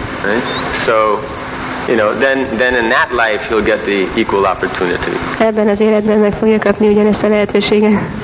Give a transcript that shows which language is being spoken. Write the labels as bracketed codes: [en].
[en] Right? So, you know, then in that life he'll get the equal opportunity. [hu] Ebben az életben meg fogja kapni ugyanezt a lehetőséget.